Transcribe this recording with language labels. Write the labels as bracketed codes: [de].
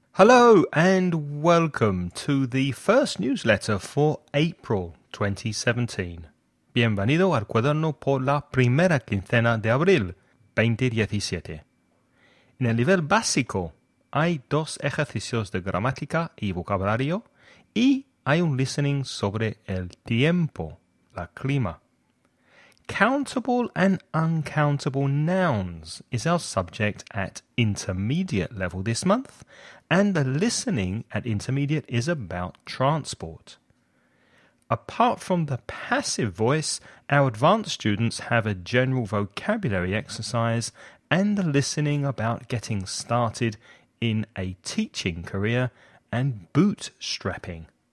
[en] Hello and welcome to the first newsletter for April 2017. [es] Bienvenido al cuaderno por la primera quincena de abril 2017. En el nivel básico hay dos ejercicios de gramática y vocabulario y hay un listening sobre el tiempo, la clima. [en] Countable and uncountable nouns is our subject at intermediate level this month, and the listening at intermediate is about transport. Apart from the passive voice, our advanced students have a general vocabulary exercise and the listening about getting started in a teaching career and bootstrapping.